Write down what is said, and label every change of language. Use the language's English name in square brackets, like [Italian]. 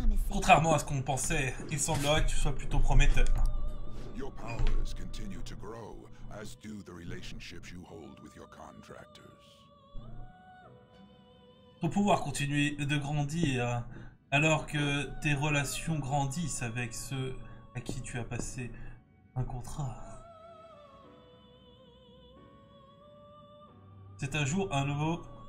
[French] Contrairement à ce qu'on pensait, il semblerait que tu sois plutôt prometteur. [English] Your powers continue to grow, as do the relationships you hold with your contractors. [French] Ton pouvoir continue de grandir alors que tes relations grandissent avec ceux à qui tu as passé un contrat. C'est un jour, un nouveau.